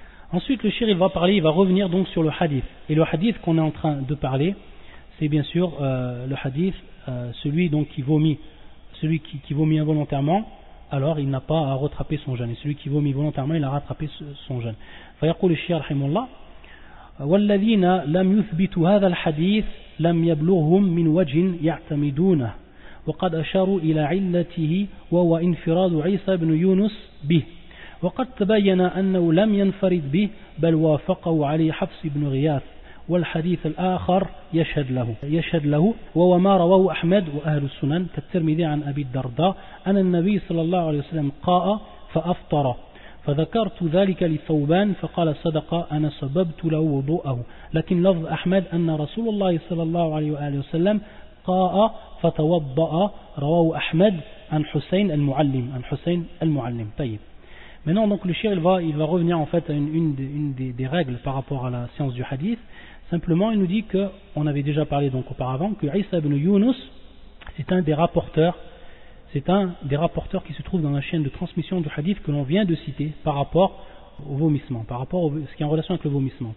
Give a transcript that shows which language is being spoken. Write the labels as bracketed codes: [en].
[fr] Ensuite le shir, il va revenir donc sur le hadith. Et le hadith qu'on est en train de parler, c'est bien sûr le hadith, celui donc qui vomit involontairement, alors il n'a pas à rattraper son jeûne. Et celui qui vomit volontairement, il a rattrapé son jeûne. [ar] Fayaqul al-Shia rahimullah, وَالَّذِينَ لَمْ يُثْبِتُوا هَذَا الْحَدِيثِ لَمْ يَبْلُغْهُمْ مِنْ وَجْهٍ يَعْتَمِدُونَهُ وَقَدْ أَشَارُوا إِلَى عِلَّتِهِ وَهُوَ إِنْفِرَادُ عِيسَى بْنُ يُونُسَ بِهِ وَقَدْ تَبَيَّنَ أَنَّهُ لَمْ يَنْفَرِدْ بِهِ بَلْ وَافَقَهُ عَلَيْهِ حَفْصُ بْنُ غِيَاثٍ والحديث الآخر يشهد له وهو ما رواه أحمد وأهل السنن كالترمذي عن أبي الدرداء أن النبي صلى الله عليه وسلم قاء فأفطر فذكرت ذلك لثوبان فقال صدق أنا سببت له وضوءه لكن لفظ أحمد أن رسول الله صلى الله عليه وآله وسلم قاء فتوضأ رواه أحمد عن حسين المعلم طيب. [fr] Maintenant, donc, le shir, il va revenir en fait à une des règles par rapport à la science du hadith. Simplement, il nous dit que, on avait déjà parlé donc auparavant, que Isa ibn Yunus, c'est un des rapporteurs qui se trouve dans la chaîne de transmission du hadith que l'on vient de citer par rapport au vomissement, par rapport à ce qui est en relation avec le vomissement.